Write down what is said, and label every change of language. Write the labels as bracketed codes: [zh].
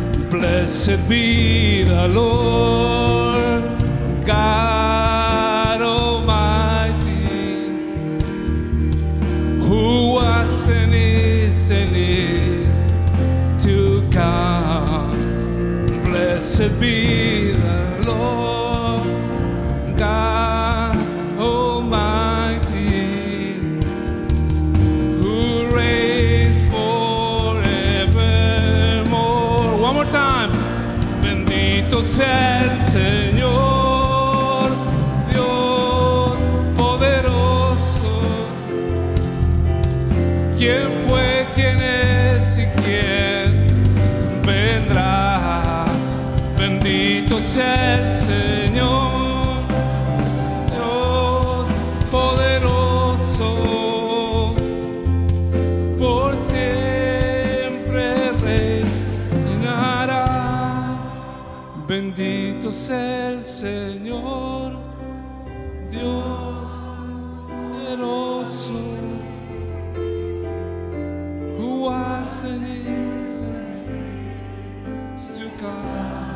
[en] Blessed be the Lord God Almighty, who was and is to come. Blessed be the Lord God Almighty, who reigns forevermore. One more time. [es] Bendito sea el Señor Dios poderoso, quien fue, quien es y quien vendrá. Bendito sea el Señor Dios poderoso, por siempre reinará. Bendito sea el Señor Dios poderoso, [en] who was and is to come.